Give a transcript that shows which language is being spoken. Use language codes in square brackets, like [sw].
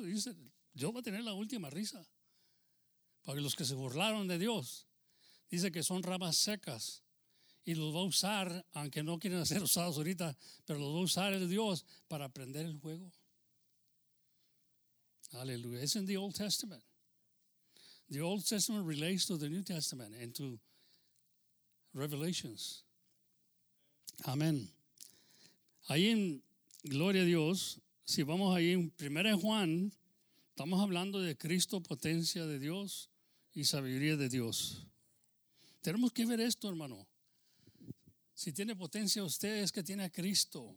[es] Dice, Dios va a tener la última risa. Porque los que se burlaron de Dios, dice que son ramas secas. Y los va a usar, aunque no quieren ser usados ahorita, pero los va a usar el Dios para prender el fuego. [en] Aleluya. It's in the Old Testament. The Old Testament relates to the New Testament and to Revelations. [es] Amén. Ahí en gloria a Dios, si vamos ahí en 1 Juan, estamos hablando de Cristo, potencia de Dios y sabiduría de Dios. Tenemos que ver esto, hermano. Si tiene potencia usted es que tiene a Cristo.